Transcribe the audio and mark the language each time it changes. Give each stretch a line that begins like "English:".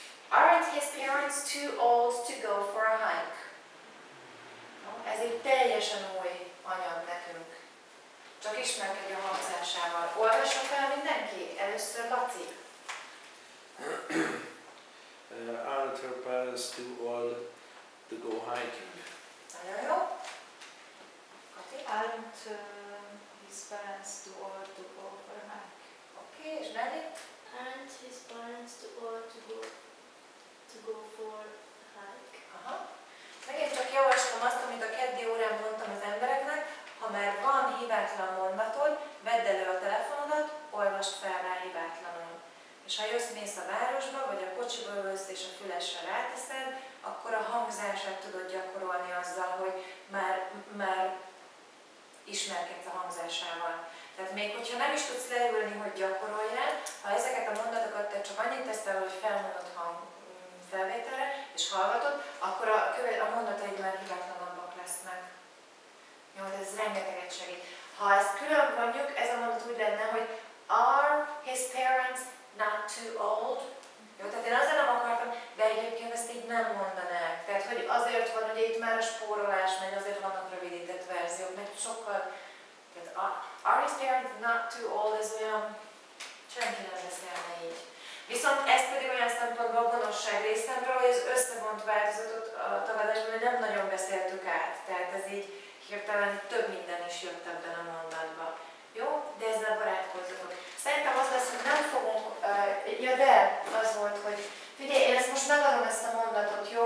English: Aren't his parents too old to go for a hike?
Hungarian: Ez egy teljesen új anyag nekünk. Csak ismerkedj a hangzásával. Olvasa fel mindenki? Először Laci.
English: Aren't her parents too old to go hiking?
Hungarian: Nagyon jó. Kati?
English: Aren't his his parents to all to go for a hike.
Hungarian: Okay, és Benedict?
English: And his parents to all to go for a hike.
Hungarian: Aha. Megint csak javaslom azt, amit a keddi órán mondtam az embereknek, ha már van hibátlan mondatod, vedd elő a telefonodat, olvasd fel rá hibátlanul. És ha jössz, mész a városba, vagy a kocsiba ülsz és a fülesre ráteszed, akkor a hangzását tudod gyakorolni azzal, hogy már ismerkedsz a hangzásával. Tehát még hogyha nem is tudsz leülni, hogy gyakorolj rá, ha ezeket a mondatokat te csak annyit teszel, hogy felmondod hang felvételre, és hallgatod, akkor a mondataid már hibátlanabbak lesznek. Jó, ez rengeteget segít. Ha ezt külön mondjuk, ez a mondat úgy lenne, hogy
English: are his parents not too old?
Hungarian: Jó, tehát én azért nem akartam, de egyébként ezt így nem mondanák. Tehát, hogy azért van, hogy itt már a spórolás megy, azért vannak rövidített verziók, mert sokkal... Tehát
English: are his parents not too old?
Hungarian: Ez olyan... Senki nem beszélne így. Viszont ez pedig olyan szempontból gonoszság részemről, hogy az összevont változatot a tagadásban nem nagyon beszéltük át. Tehát ez így hirtelen több minden is jött ebben a mondatban. Jó? De ezzel barátkozzatok. Szerintem az lesz, hogy nem fogunk... ja, de az volt, hogy figyelj, én ezt most megadom ezt a mondatot, jó?